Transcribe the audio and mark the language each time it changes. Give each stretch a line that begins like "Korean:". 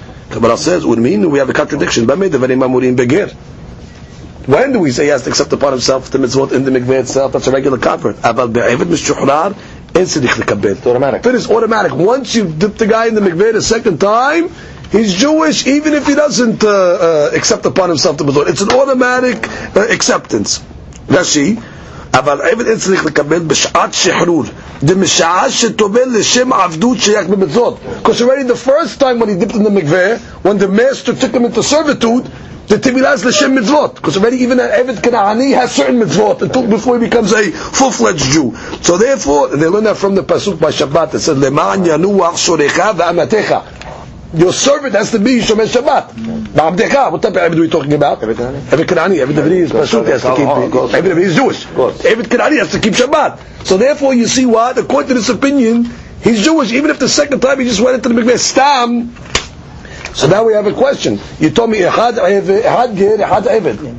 English: Kabbalah says, would mean we have a contradiction. When do we say he has to accept upon himself the mitzvot in the mikveh itself? That's a regular convert. It's automatic. Once you dip the guy in the mikveh the second time, he's Jewish, even if he doesn't accept upon himself the mitzvot. It's an automatic acceptance. Rashi.
Hebrew: אבל עבד אין צריך לקבל בשעת שחרור דמשעה שטובל לשם עבדות שייך במצוות.
English: Because already the first time when he dipped in the mikveh, when the master took him into servitude, the tevilah is לשם מצוות. Because already even an עבד כנעני has certain מצוות until before he becomes a full-fledged Jew. So therefore, they learn that from the pasuk by Shabbat.
Hebrew: It said, למען ינוח שורך ועמתך.
English: Your servant has to be Shomer Shabbat. Ba'amdecha, what type of Eved are we talking about? Eved Kenani, Eved Avni is Pashut, has to keep, Eved Avni is Jewish. Eved Kenani has to keep Shabbat. So therefore you see what, according to this opinion, he's Jewish, even if the second time he just went into the mikveh, stam. So now we have a question. You told me, Echad Eved, Echad Ger, Echad Eved.